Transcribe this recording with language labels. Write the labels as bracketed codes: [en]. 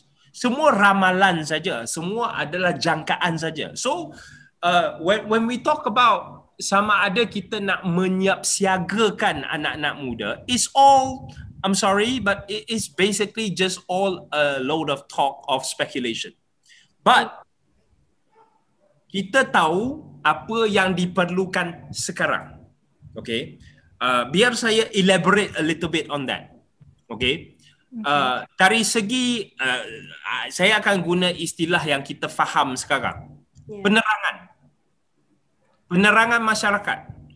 [ms] Semua ramalan saja, semua adalah jangkaan saja. [en] So when we talk about [ms] sama ada kita nak menyiapsiagakan anak-anak muda, [en] it's all, I'm sorry, but it is basically just all a load of talk of speculation. But [ms] kita tahu apa yang diperlukan sekarang. [en] Okay, [ms] biar saya [en] elaborate a little bit on that. [ms] Okay, dari segi saya akan guna istilah yang kita faham sekarang, penerangan, penerangan masyarakat.